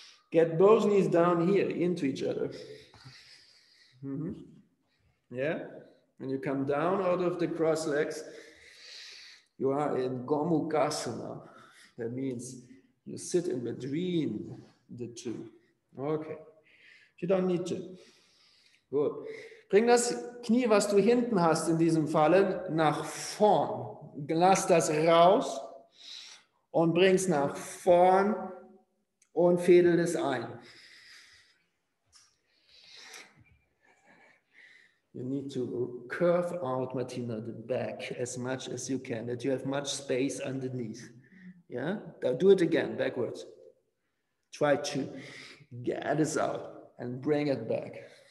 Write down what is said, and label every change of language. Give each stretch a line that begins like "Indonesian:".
English: Get both knees down here into each other. Mm-hmm. Yeah, when you come down out of the cross legs, you are in Gomukhasana. That means you sit in between the two. Okay, you don't need to. Good.
German: Bring das Knie, was du hinten hast in diesem Falle, nach vorn. Lass das raus und bring's nach vorn und fädel es ein.
English: You need to curve out, Martina, the back as much as you can, that you have much space underneath. Yeah? Now do it again, backwards. Try to get this out and bring it back.